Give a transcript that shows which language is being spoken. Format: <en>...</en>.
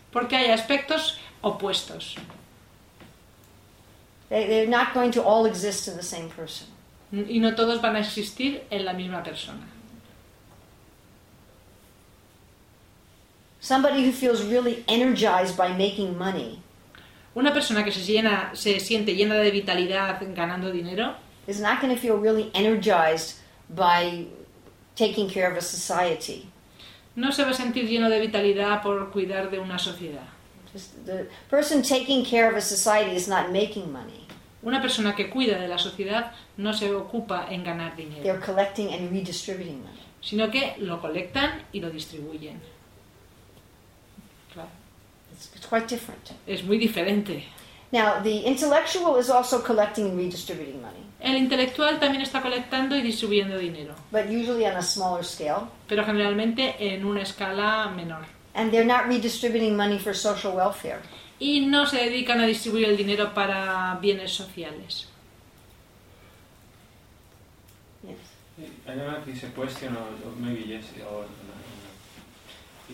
<es>Porque hay aspectos opuestos.</es> <en>They're not going to all exist in the same person.</en> <es>Y no todos van a existir en la misma persona.</es> <en>Somebody who feels really energized by making money.</en> <es>Una persona que se siente llena de vitalidad ganando dinero.</es> <en>Is not going to feel really energized by taking care of a society.</en> <es>No se va a sentir lleno de vitalidad por cuidar de una sociedad.</es> <en>The person taking care of a society is not making money.</en> <es>Una persona que cuida de la sociedad no se ocupa en ganar dinero.</es> <en>They're collecting and redistributing money.</en> <es>Sino que lo colectan y lo distribuyen.</es> <en>It's quite different.</en> <es>Es muy diferente.</es> <en>Now, the intellectual is also collecting and redistributing money.</en> <es>El intelectual también está colectando y distribuyendo dinero.</es> <en>But usually on a smaller scale.</en> <es>Pero generalmente en una escala menor.</es> <en>And they're not redistributing money for social welfare.</en> <es>Y no se dedican a distribuir el dinero para bienes sociales.</es> <en>Yes. I don't know if it's a question or maybe yes or no.</en>